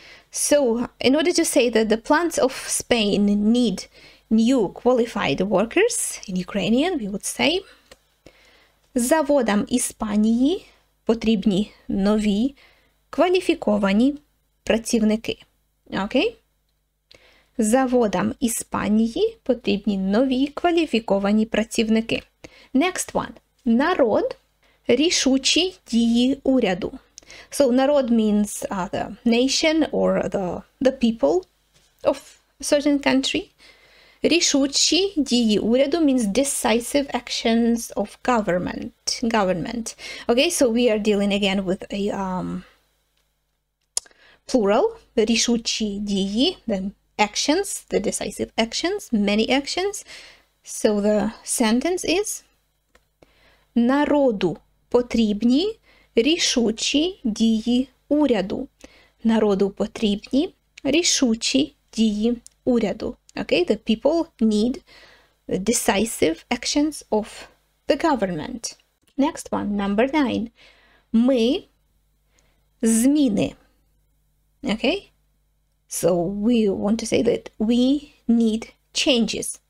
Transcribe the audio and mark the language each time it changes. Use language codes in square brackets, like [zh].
[en] So, in order to say that the plants of Spain need new qualified workers, in Ukrainian we would say [uk] заводам Іспанії потрібні нові кваліфіковані працівники. [en] Okay? [uk] Заводам Іспанії потрібні нові кваліфіковані працівники. [en] Next one. [uk] Народ – рішучі дії уряду. [en] So, народ means the nation or the people of a certain country. [uk] Рішучі дії уряду [en] means decisive actions of government. Okay, so we are dealing again with a plural. Рішучі дії, then actions, the decisive actions, many actions. So the sentence is [uk] народу потрібні рішучі дії уряду. Народу потрібні рішучі дії уряду. [en] Okay, the people need the decisive actions of the government. Next one, number 9. Ми зміни. Okay? So we want to say that we need changes.